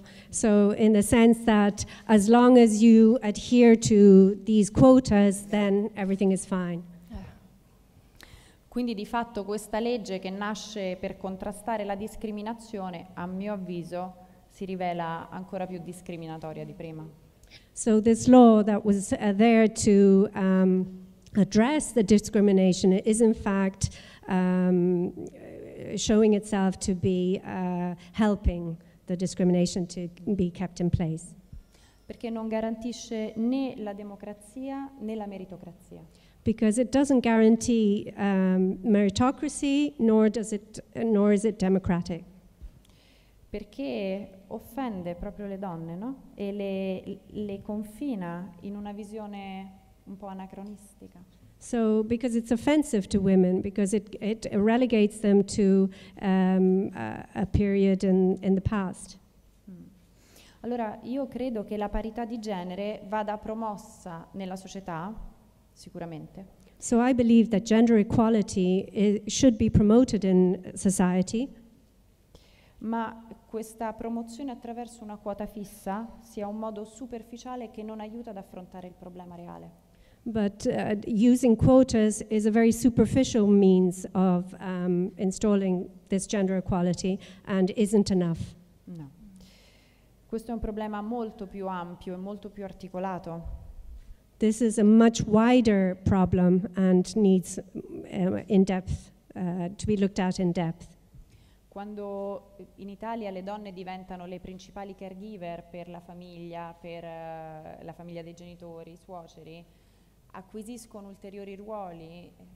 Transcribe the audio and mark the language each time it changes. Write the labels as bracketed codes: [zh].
[en] So in the sense that as long as you adhere to these quotas, then everything is fine. [it] Quindi di fatto questa legge che nasce per contrastare la discriminazione, a mio avviso, si rivela ancora più discriminatoria di prima. [en] So this law that was there to address the discrimination is in fact showing itself to be helping the discrimination to be kept in place. [it] Perché non garantisce né la democrazia né la meritocrazia. [en] Because it doesn't guarantee meritocracy, nor is it democratic. [it] Perché offende proprio le donne, no? E le confina in una visione un po' anacronistica. [en] So, because it's offensive to women, because it relegates them to a period in the past. [it] Allora, io credo che la parità di genere vada promossa nella società, sicuramente. [en] So I believe that gender equality should be promoted in society. [it] Ma questa promozione attraverso una quota fissa sia un modo superficiale che non aiuta ad affrontare il problema reale. [en] But using quotas is a very superficial means of installing this gender equality and isn't enough. [it] No. Questo è un problema molto più ampio e molto più articolato. [en] This is a much wider problem and needs in depth to be looked at in depth. [it] Quando in Italia le donne diventano le principali caregiver per la famiglia dei genitori, i suoceri, acquisiscono ulteriori ruoli.